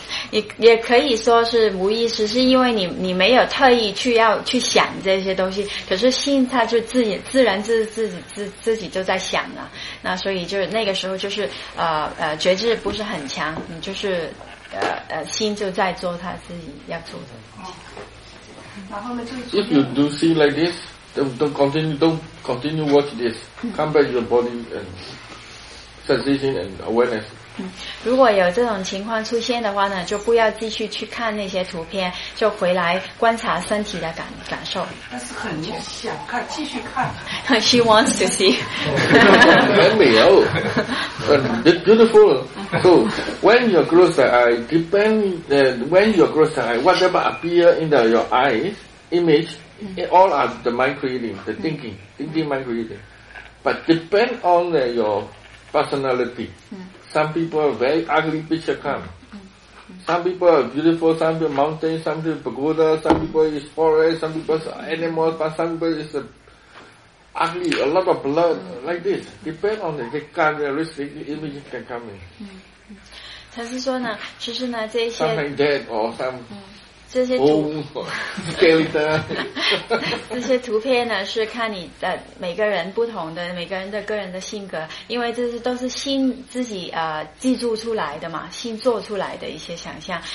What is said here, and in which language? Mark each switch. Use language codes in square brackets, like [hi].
[zh] 也也可以说是无意识，是因为你你没有特意去要去想这些东西，可是心它就自己自然自己就在想了，那所以就是那个时候就是觉知不是很强，你就是心就在做他自己要做的。然后呢， [en] If you do see like this, don't continue watch this. Come back to your body and sensation and awareness. [zh] 如果有这种情况出现的话呢，就不要继续去看那些图片，就回来观察身体的感受。但是很想看，继续看。 [en] She wants to see. [zh] 很美哦。 [en] It's beautiful. So when you close the eye, when you close the eye, whatever appear in your eyes, image, it all are the mind creating, the thinking, thinking mind creating. But depend on your personality. Some people are very ugly picture come. Some people are beautiful, some people are mountains, some people are pagoda, some people is forest, some people are animals, but some people is ugly, a lot of blood, like this. Depend on the characteristic image can come in. [zh] 他是说呢，其实呢，这些 [en] something dead or some [zh] 这些图、这些图片呢，是看你的每个人不同的每个人的个人的性格，因为这是都是心自己记住出来的嘛，心做出来的一些想象。